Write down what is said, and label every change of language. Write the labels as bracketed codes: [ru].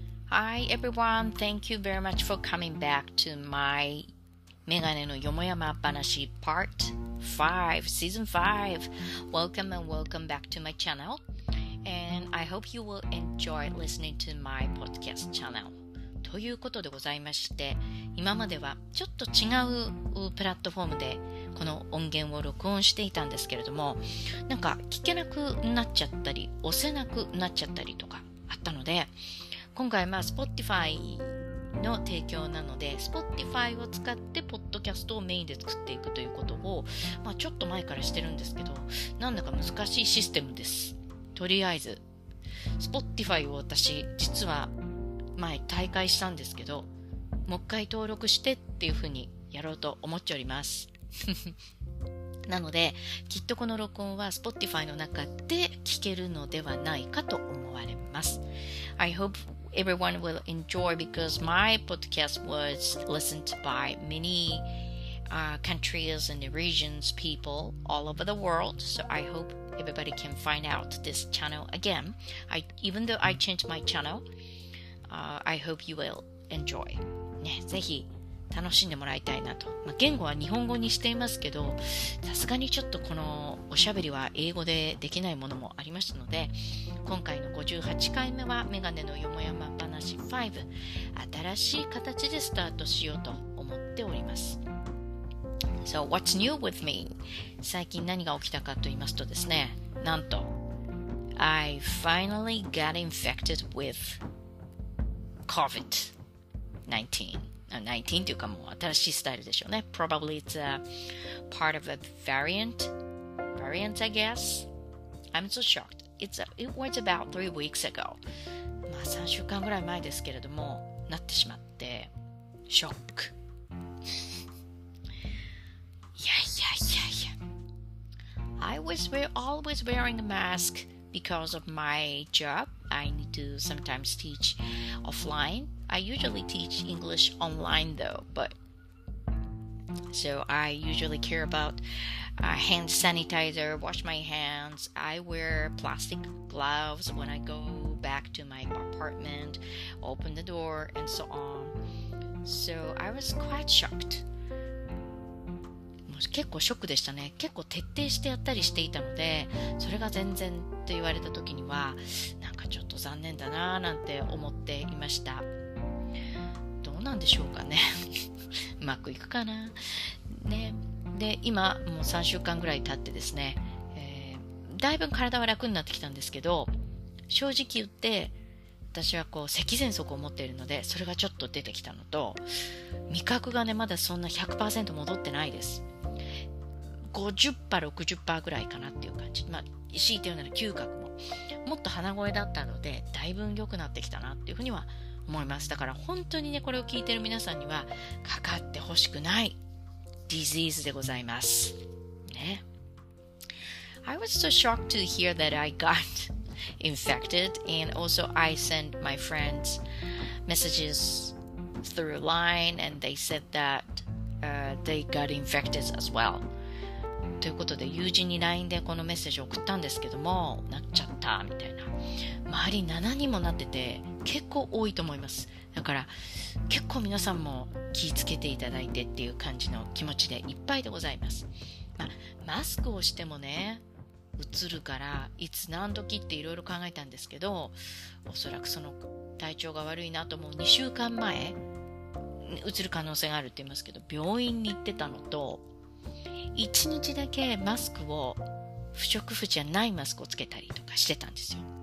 [en] Hi everyone, thank you very much for coming back to my Megane no Yomoyama Banashi Part 5, Season 5. Welcome and welcome back to my channel. And I hope you will enjoy listening to my podcast channel. [ja] ということでございまして、今まではちょっと違うプラットフォームでこの音源を録音していたんですけれども、なんか聞けなくなっちゃったり、押せなくなっちゃったりとかあったので、今回まあ Spotify の提供なので Spotify を使ってポッドキャストをメインで作っていくということを、まあ、ちょっと前からしてるんですけど、なんだか難しいシステムです。とりあえず Spotify を私実は前退会したんですけど、もう一回登録してっていうふうにやろうと思っちゃおります。なのできっとこの録音は Spotify の中で聞けるのではないかと思われます。 [en] I hopeEveryone will enjoy because my podcast was listened by many countries and regions, people all over the world. So I hope everybody can find out this channel again. Even though I changed my channel, I hope you will enjoy.、 [ja] ね、ぜひ楽しんでもらいたいなと。まあ、言語は日本語にしていますけど、さすがにちょっとこのおしゃべりは英語でできないものもありましたので、今回の58回目はメガネのよもやま話5、新しい形でスタートしようと思っております。 [en] So, what's new with me? [ja] 最近何が起きたかと言いますとですね、なんと、 [en] I finally got infected with COVID-19 [ja] というかもう新しいスタイルでしょうね。 [en] Probably it's a part of a variant, I guess. I'm so shocked. It was about 3 weeks ago. まあ3週間ぐらい前ですけれども、なってしまって、ショック。いや。 I was always wearing a mask because of my job. I need to sometimes teach offline. I usually teach English online though, but... So I usually care about... hand sanitizer, wash my hands. I wear plastic gloves when I go back to my apartment, open the door, and so on. So I was quite shocked. [ja] もう結構ショックでしたね。結構徹底してやったりしていたので、それが全然と言われた時には、なんかちょっと残念だなーなんて思っていました。どうなんでしょうかね。うまくいくかな。ね。で今もう3週間ぐらい経ってですね、だいぶ体は楽になってきたんですけど、正直言って私はこう咳喘息を持っているので、それがちょっと出てきたのと、味覚がねまだそんな 100% 戻ってないです。 50% 60% ぐらいかなっていう感じ。まあ強いて言うなら嗅覚ももっと鼻声だったので、だいぶ良くなってきたなっていうふうには思います。だから本当にねこれを聞いている皆さんにはかかってほしくないDisease でございます、ね、 [en] I was so shocked to hear that I got infected, and also I sent my friends messages through LINE, and they said that、they got infected as well. [ja] ということで友人に LINE でこのメッセージを送ったんですけども、なっちゃったみたいな。周り7人もなってて結構多いと思います。だから結構皆さんも気をつけていただいてっていう感じの気持ちでいっぱいでございます。まあ、マスクをしてもね、うつるからいつ何時っていろいろ考えたんですけど、おそらくその体調が悪いなと思う2週間前、うつる可能性があるって言いますけど、病院に行ってたのと、1日だけマスクを、不織布じゃないマスクをつけたりとかしてたんですよ。